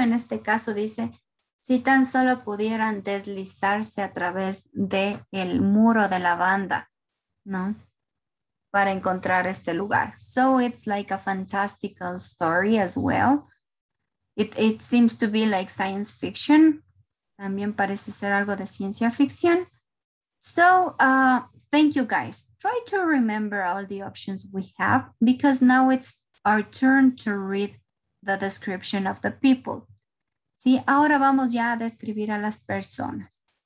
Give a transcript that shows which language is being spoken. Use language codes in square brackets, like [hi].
[es] En este caso dice, si tan solo pudieran deslizarse a través del muro de lavanda, ¿no? Para encontrar este lugar. [en] So it's like a fantastical story as well. It seems to be like science fiction. [es] También parece ser algo de ciencia ficción. [en] So thank you guys. Try to remember all the options we have because now it's our turn to read the description of the people. [es] Sí, ahora vamos ya a describir a las personas.